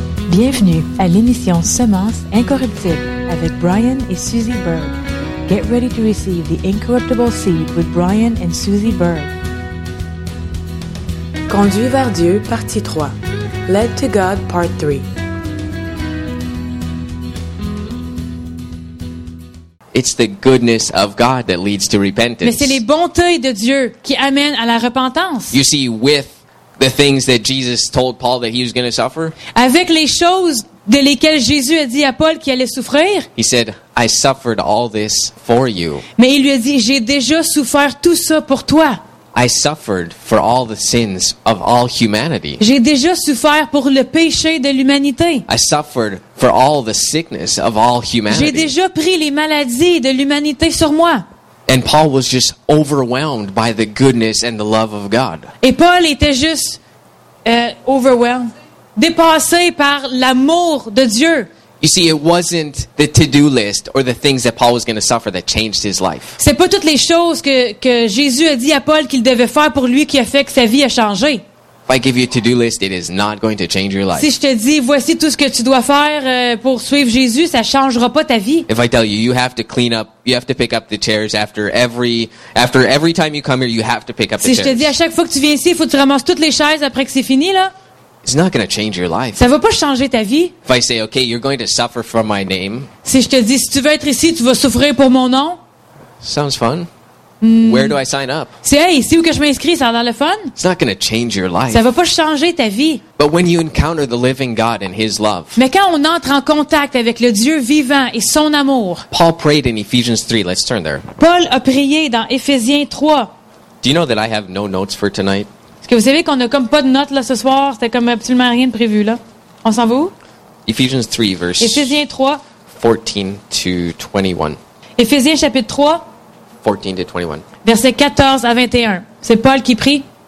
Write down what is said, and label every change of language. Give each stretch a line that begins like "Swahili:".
French: Bienvenue à l'émission Semence incorruptible avec Brian et Suzy Berg.
English: Get ready to receive the incorruptible seed with Brian and Suzy Berg.
French: Conduit vers Dieu, partie 3.
English: Led to God, part 3. It's the goodness of God that leads to repentance.
French: Mais c'est les bontés de Dieu qui amènent à la repentance.
English: You see, with the things that Jesus told Paul that he was going to suffer.
French: Avec les choses de lesquelles Jésus a dit à Paul qu'il allait souffrir.
English: He said, I suffered all this for you.
French: Mais il lui a dit, j'ai déjà souffert tout ça pour toi.
English: I suffered for all the sins of all humanity.
French: J'ai déjà souffert pour le péché de l'humanité.
English: I suffered for all the sickness of all humanity.
French: J'ai déjà pris les maladies de l'humanité sur moi.
English: And Paul was just overwhelmed by the goodness and the love of God.
French: Et Paul était juste overwhelmed, dépassé par l'amour de Dieu.
English: You see, it wasn't the to-do list or the things that Paul was going to suffer that changed his life.
French: C'est pas toutes les choses que Jésus a dit à Paul qu'il devait faire pour lui qui a fait que sa vie a changé.
English: If I give you a to-do list, it is not going to change your life.
French: Si je te dis voici tout ce que tu dois faire pour suivre Jésus, ça changera pas ta vie.
English: If I tell you you have to clean up, you have to pick up the chairs after every time you come here, you have to pick up the chairs.
French: Si je te dis à chaque fois que tu viens ici, il faut que tu ramasses toutes les chaises après que c'est fini là.
English: It's not going to change your life.
French: Ça va pas changer ta vie.
English: If I say okay, you're going to suffer for my name.
French: Si je te dis si tu veux être ici, tu vas souffrir pour mon nom.
English: Sounds fun. Where do I sign up?
French: C'est hey, c'est où que je m'inscris? Ça a l'air le fun.
English: It's not going to change your life.
French: Ça va pas changer ta vie.
English: But when you encounter the living God and His love.
French: Mais quand on entre en contact avec le Dieu vivant et Son amour.
English: Paul prayed in Ephesians 3. Let's turn there.
French: Paul a prié dans Éphésiens 3.
English: Do you know that I have no notes for tonight?
French: Est-ce que vous savez qu'on a comme pas de notes là ce soir? C'était comme absolument rien de prévu là. On s'en va où?
English: Ephesians 3 verse.
French: Éphésiens 3.
English: 14 to 21.
French: Éphésiens chapitre 3.
English: 14 to 21.
French: Verset 14 à 21. C'est Paul qui prie.